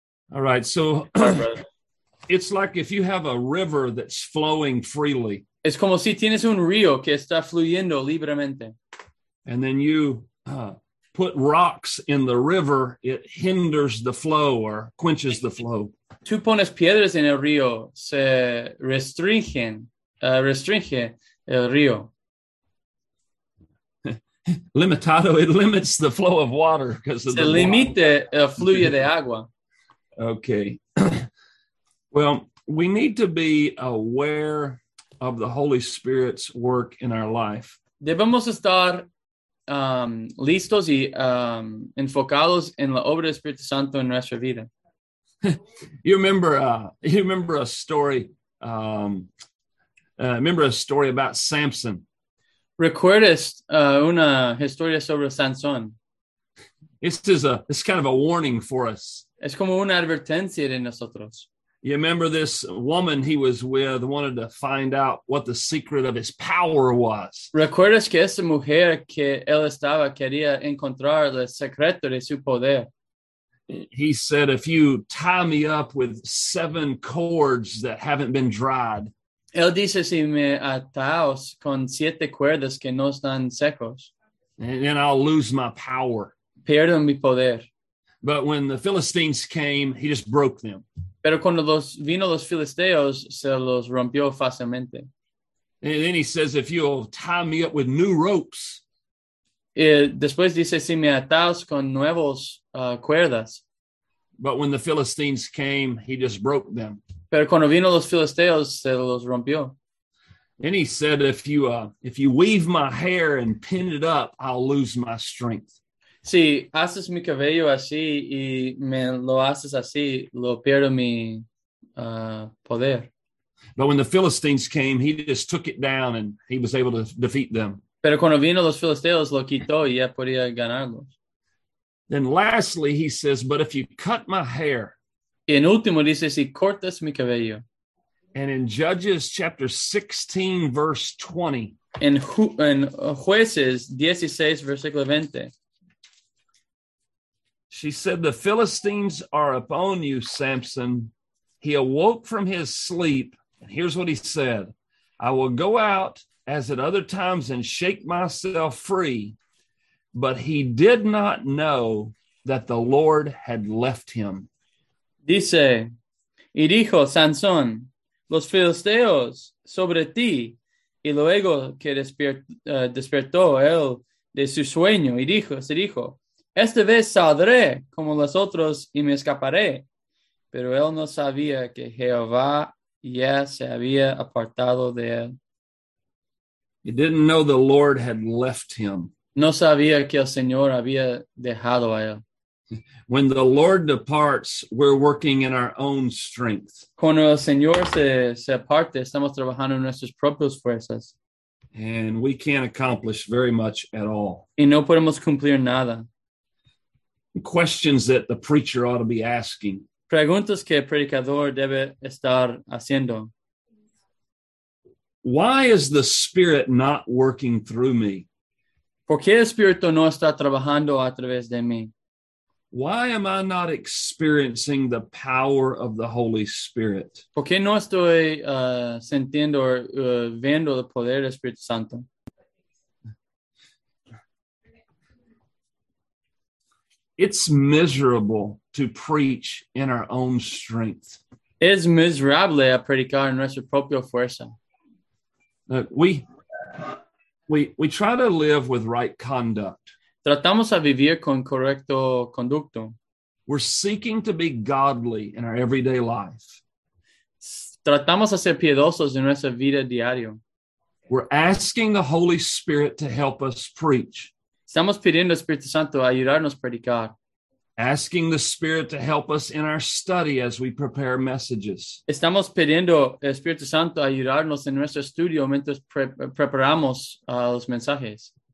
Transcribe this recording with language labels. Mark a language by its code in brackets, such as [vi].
[en] All right, so it's like if you have a river that's flowing freely. [es] Es como si tienes un río que está fluyendo libremente. [en] And then you put rocks in the river, it hinders the flow or quenches the flow. [es] Tú pones piedras en el río, se restringe el río. [en] limitado, it limits the flow of water because of [es] se limite el flujo de agua. [en] Okay. Well, we need to be aware of the Holy Spirit's work in our life. [es] Debemos estar listos y enfocados en la obra del Espíritu Santo en nuestra vida. [en] You remember a story about Samson. [es] ¿Recuerdas una historia sobre Sansón? [en] This is kind of a warning for us. [es] Es como una advertencia de nosotros. [en] You remember this woman he was with wanted to find out what the secret of his power was. [es] ¿Recuerdas que esa mujer que él estaba quería encontrar el secreto de su poder? [en] He said, if you tie me up with 7 cords that haven't been dried. [es] Él dice, si me ataos con 7 cuerdas que no están secos. [en] And then I'll lose my power. [es] Pierdo mi poder. [en] But when the Philistines came, he just broke them. [es] Pero cuando vino los filisteos, se los rompió fácilmente. [en] And then he says, if you'll tie me up with new ropes. [es] Y después dice, si me ataos con nuevos cuerdas. [en] But when the Philistines came, he just broke them. [es] Pero cuando vino los filisteos, se los rompió. [en] And he said, if you weave my hair and pin it up, I'll lose my strength. [es] Si haces mi cabello así y me lo haces así, lo pierdo mi poder. [en] But when the Philistines came, he just took it down and he was able to defeat them. [es] Pero cuando vino los filisteos, lo quitó y ya podía ganarlos. [en] Then lastly, he says, but if you cut my hair. [es] Y en último dice, si cortas mi cabello. [en] And in Judges chapter 16, verse 20. [es] En Jueces 16, versículo 20. [en] She said, the Philistines are upon you, Samson. He awoke from his sleep. And here's what he said. I will go out as at other times and shake myself free. But he did not know that the Lord had left him. [es] Dice, y dijo Sansón, los filisteos sobre ti. Y luego que despertó él de su sueño, y dijo, se dijo, esta vez saldré como los otros y me escaparé. Pero él no sabía que Jehová ya se había apartado de él. [en] He didn't know the Lord had left him. [es] No sabía que el Señor había dejado a él. [en] When the Lord departs, we're working in our own strength. [es] Cuando el Señor se aparte, estamos trabajando en nuestras propias fuerzas. [en] And we can't accomplish very much at all. [es] Y no podemos cumplir nada. [en] Questions that the preacher ought to be asking. [es] Preguntas que el predicador debe estar haciendo. [en] Why is the Spirit not working through me? [es] ¿Por qué el Espíritu no está trabajando a través de mí? [en] Why am I not experiencing the power of the Holy Spirit? [es] ¿Por qué no estoy sintiendo o viendo el poder del Espíritu Santo? [en] It's miserable to preach in our own strength. [es] Es miserable a predicar en nuestra propia fuerza. [en] We try to live with right conduct. [es] Tratamos a vivir con correcto conducto. [en] We're seeking to be godly in our everyday life. [es] Tratamos a ser piedosos en nuestra vida diaria. [en] We're asking the Holy Spirit to help us preach. [es] Estamos pidiendo al Espíritu Santo a ayudarnos a predicar. [en] Asking the Spirit to help us in our study as we prepare messages. [es] Estamos pidiendo al Espíritu Santo a ayudarnos en nuestro estudio mientras preparamos los mensajes.